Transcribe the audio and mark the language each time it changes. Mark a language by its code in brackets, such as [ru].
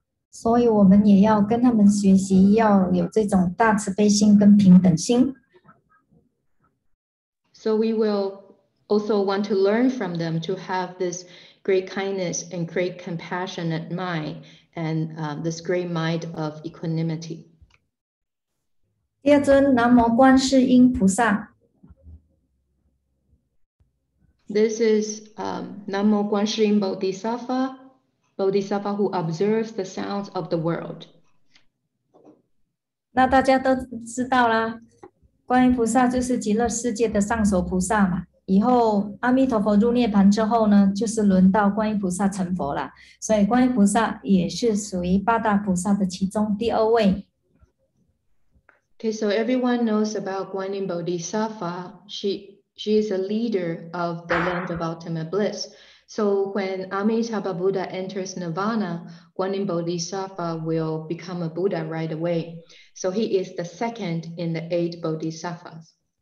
[zh] 所以我们也要跟他们学习，要有这种大慈悲心跟平等心。 [en] So we willAlso want to learn from them to have this great kindness and great compassionate mind and this great mind of equanimity. [zh] 第二尊南无观世音菩萨。 [en] This is南无观世音Bodhisattva who observes the sounds of the world. [zh] 那大家都知道啦，观音菩萨就是极乐世界的上首菩萨嘛。以后阿弥陀佛入涅槃之后呢，就是轮到观音菩萨成佛了。所以观音菩萨也是属于八大菩萨的其中第二位。 [en] Okay, so everyone knows about Guanyin Bodhisattva. She She is a leader of the land of ultimate bliss. So when Amitabha Buddha enters Nirvana, Guanyin Bodhisattva will become a Buddha right away. So he is the second in the eight Bodhisattvas.